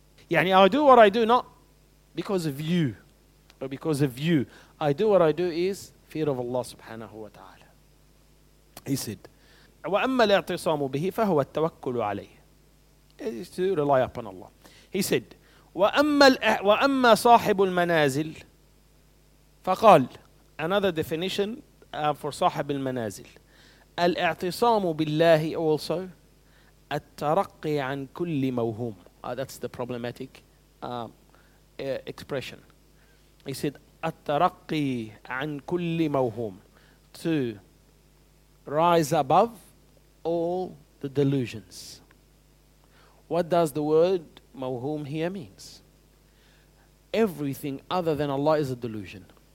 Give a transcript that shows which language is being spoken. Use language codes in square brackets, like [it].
[en] Yani, I do what I do not because of you, but because of you. I do what I do is fear of Allah subhanahu wa ta'ala. He said, [ar] وَأَمَّا الْاِعْتِصَامُ بِهِ فَهُوَ التَّوَكُّلُ عَلَيْهِ [en] It is to rely upon Allah. [ar] He said, وَأَمَّا صَاحِبُ الْمَنَازِلِ فَقَالْ [en] Another definition for [ar] صاحب المنازل. الْاِعْتِصَامُ بِاللَّهِ also التَّرَقِّي عَنْ كُلِّ مَوْهُومِ [en] That's the problematic expression. He said, [ar] التَّرَقِّي عَنْ كُلِّ مَوْهُومِ [en] To rise above all the delusions. What does the word mawhum here means? Everything other than Allah is a delusion.